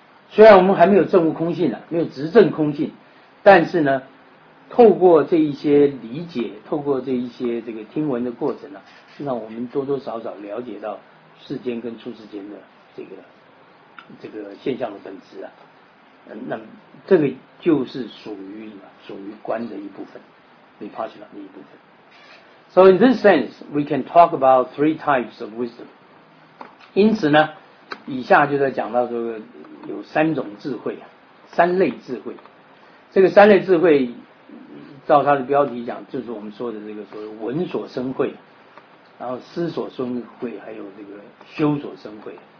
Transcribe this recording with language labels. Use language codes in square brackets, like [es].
[zh] 虽然我们还没有证悟空性了，没有直证空性，但是呢，透过这一些理解，透过这一些这个听闻的过程呢、啊，实际上我们多多少少了解到世间跟出世间的这个现象的本质啊，那这个就是属于观的一部分 ，Vipassana 的一部分。 [en] So in this sense, we can talk about three types of wisdom. [zh] 因此呢，以下就在讲到这个。有三种智慧啊，三类智慧。这个三类智慧，照它的标题讲，就是我们说的这个所谓闻所生慧，然后思所生慧，还有这个修所生慧。